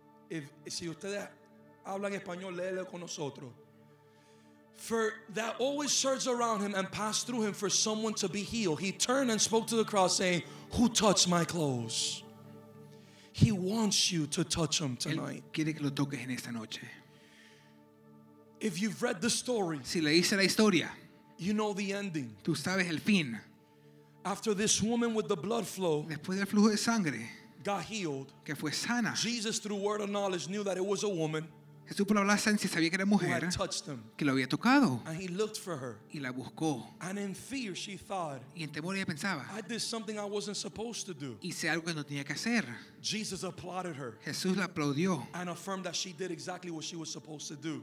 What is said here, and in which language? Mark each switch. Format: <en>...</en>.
<es>If si ustedes hablan español, léelo con nosotros.</es> <en>For that always surged around him and passed through him for someone to be healed. He turned and spoke to the crowd, saying, "Who touched my clothes?" He wants you to touch him tonight.</en> <es>Él quiere que lo toques en esta noche.</es> <en>If you've read the story,</en> <es>si leíste la historia,</es> <en>you know the ending.</en> <es>Tú sabes el fin.</es> <en>After this woman with the blood flow,</en> <es>después del flujo de sangre,</es> <en>got healed,</en> <es>que fue sana,</es> <en>Jesus, through word of knowledge, knew that it was a woman.</en> <es>Jesús por hablar sabía que era mujer que lo había tocado y la buscó</es> <en>thought,</en> <es>y en temor ella pensaba hice algo que no tenía que hacer.</es> <en>Jesus applauded her.</en> <es>Jesús la aplaudió.</es> <en>And affirmed that she did exactly what she was supposed to do.</en>